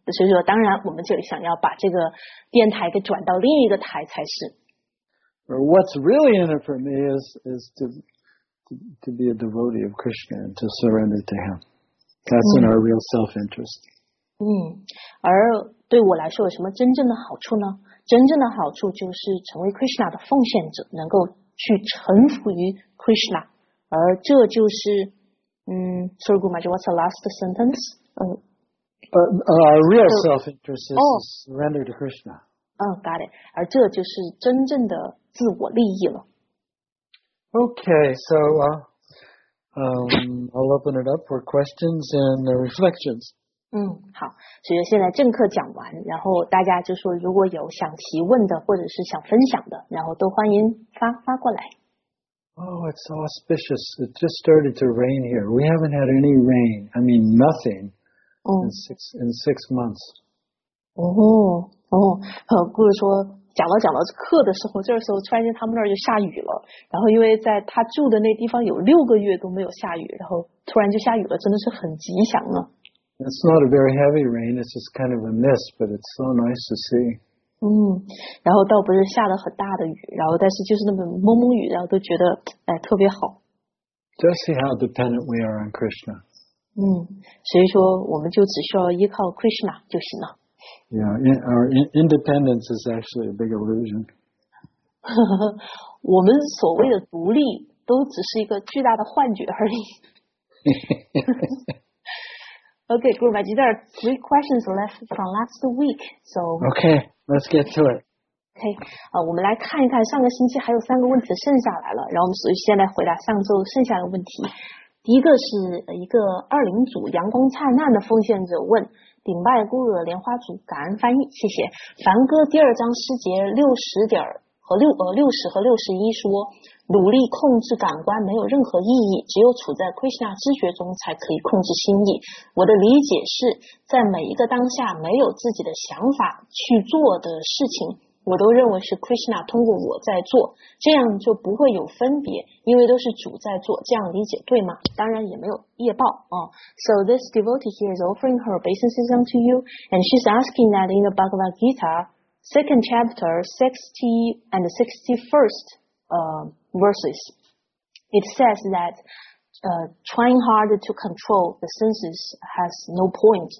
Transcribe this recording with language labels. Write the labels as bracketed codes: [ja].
[zh] 所以说当然我们就想要把这个电台给转到另一个台才是。 [en] What's really in it for me is to be a devotee of Krishna and to surrender to him. That's in our real self-interest. [zh] 而对我来说有什么真正的好处呢？真正的好处就是成为 Krishna 的奉献者，能够去臣服于 Krishna。而这就是 [en] Sri Gurumaji, what's the last sentence? Our real self-interest is to surrender to Krishna. Got it. [zh] 而这就是真正的自我利益了。 [en] Okay, so I'll open it up for questions and reflections. [zh] 好，所以现在正课讲完，然后大家就说如果有想提问的或者是想分享的，然后都欢迎发过来。 [en] Oh, it's auspicious. It just started to rain here. We haven't had any rain. I mean, nothing in six months. [zh] 故事说讲到课的时候，这时候突然间他们那儿就下雨了，然后因为在他住的那地方有六个月都没有下雨，然后突然就下雨了，真的是很吉祥啊。 [en] It's not a very heavy rain, it's just kind of a mist, but it's so nice to see. [zh] 然后倒不是下了很大的雨，然后但是就是那么蒙蒙雨，然后都觉得特别好。 [en] Just see how dependent we are on Krishna. [zh] 所以说我们就只需要依靠 Krishna 就行了。 [en] Yeah, our independence is actually a big illusion. [zh] 我们所谓的独立都只是一个巨大的幻觉而已。 [en] Okay, Gurumaji, there are three questions left from last week. So, okay, let's get to it. [zh] Okay, 我们来看一看上个星期还有三个问题剩下来了，然后我们所以现在回答上周剩下的问题。第一个是一个二零组阳光灿烂的奉献者问，顶拜孤儿莲花组感恩翻译，谢谢凡哥第二章诗节60和61说，努力控制感官没有任何意义，只有处在 Krishna 知觉中才可以控制心意。我的理解是在每一个当下没有自己的想法去做的事情，我都认为是 Krishna 通过我在做，这样就不会有分别，因为都是主在做，这样理解对吗？当然也没有业报啊。 [en] So this devotee here is offering her obeisances to you, and she's asking that in the Bhagavad Gita, second chapter, 60 and 61st verses, it says that trying hard to control the senses has no point.